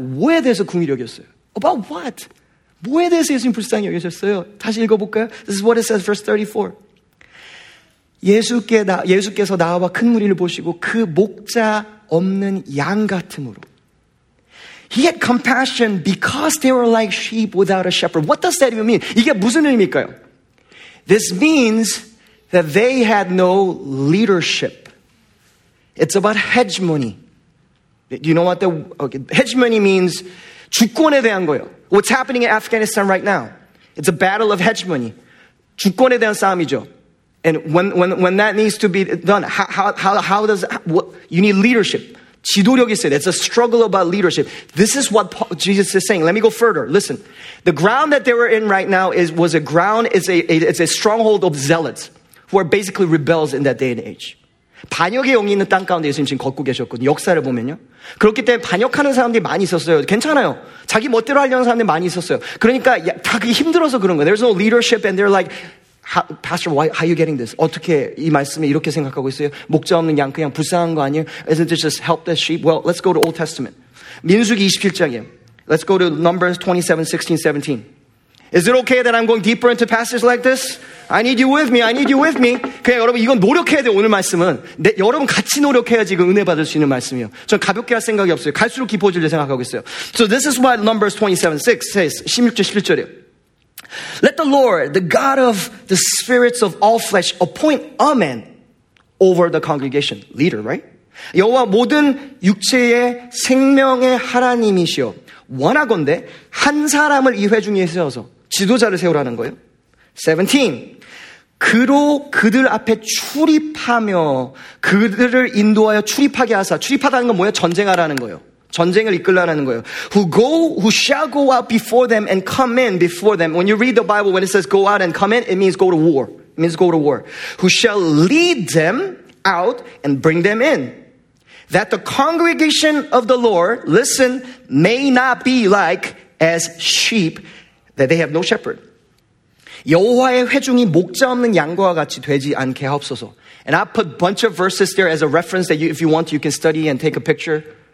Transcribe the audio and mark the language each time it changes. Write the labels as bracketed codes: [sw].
[ko] 뭐에 대해서 긍휼이 여겼어요? [en] About what? [ko] 뭐에 대해서 예수님 불쌍히 여겼어요? 다시 읽어볼까요? [en] This is what it says, verse 34. [ko] 예수께서 나와 큰 무리를 보시고 그 목자 없는 양 같음으로. [en] He had compassion because they were like sheep without a shepherd. What does that even mean? [ko] 이게 무슨 의미일까요? [en] This means that they had no leadership. It's about hegemony. Do you know what hegemony means? [ko] 주권에 대한 거예요. [en] What's happening in Afghanistan right now? It's a battle of hegemony. [ko] 주권에 대한 싸움이죠. [en] And when that needs to be done, how does what, you need leadership? [ko] 지도력이 있어요. [en] It's a struggle about leadership. This is what Jesus is saying. Let me go further. Listen, the ground that they were in right now is a stronghold of zealots who are basically rebels in that day and age. [ko] 반역의 영이 있는 땅 가운데 예수님 지금 걷고 계셨거든요. 역사를 보면요. 그렇기 때문에 반역하는 사람들이 많이 있었어요. 괜찮아요. 자기 멋대로 하려는 사람들이 많이 있었어요. 그러니까 다 그게 힘들어서 그런 거예요. [en] There's no leadership and they're like, Pastor, why, how are you getting this? [ko] 어떻게 이 말씀에 이렇게 생각하고 있어요? 목자 없는 양 그냥 불쌍한 거 아니에요? [en] Isn't it just help the sheep? Well, let's go to Old Testament. [ko] 민수기 27장이에요. [en] Let's go to Numbers 27:16-17. Is it okay that I'm going deeper into passages like this? I need you with me. [ko] 그냥 여러분 이건 노력해야 돼요, 오늘 말씀은. 여러분 같이 노력해야지 이거 은혜 받을 수 있는 말씀이에요. 전 가볍게 할 생각이 없어요. 갈수록 깊어질려 생각하고 있어요. [en] So this is what Numbers 27:6 says. [ko] 16절, 17절이에요. [en] Let the Lord, the God of the spirits of all flesh, appoint a man over the congregation. Leader, right? [ko] 여호와 모든 육체의 생명의 하나님이시여. 원하건대 한 사람을 이 회중에 세워서 지도자를 세우라는 거예요. 17. 그로 그들 앞에 출입하며 그들을 인도하여 출입하게 하사. 출입하다는 건 뭐예요? 전쟁하라는 거예요. 전쟁을 이끌라는 거예요. [en] Who shall go out before them and come in before them. When you read the Bible, when it says go out and come in, it means go to war. It means go to war. Who shall lead them out and bring them in. That the congregation of the Lord, listen, may not be like as sheep, that they have no shepherd. [ko] 여호와의 회중이 목자 없는 양과 같이 되지 않게 하옵소서. [en] And I put a bunch of verses there as a reference that you, if you want, you can study and take a picture.